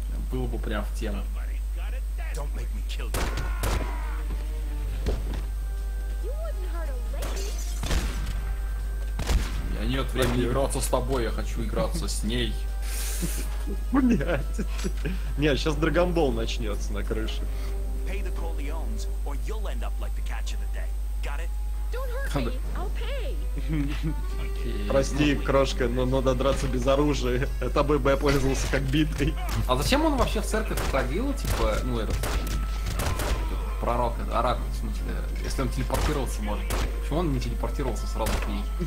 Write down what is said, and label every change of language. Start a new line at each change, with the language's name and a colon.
Russian: Было бы прям в тему.
English: Don't make me kill you.
Russian: Нет времени играться с тобой, я хочу играться с ней. Блять. Не, сейчас драгонбол начнется на крыше.
English: Pay the Corleones, or you'll end up like the catch of the day. Got it? Don't hurt me, I'll pay.
Russian: Прости, крошка, но надо драться без оружия. Это бы я пользовался как битой. А зачем он вообще в церковь ходил, типа, ну этот пророк, оракул, в смысле, если он телепортировался, может. Почему он не телепортировался сразу к ней?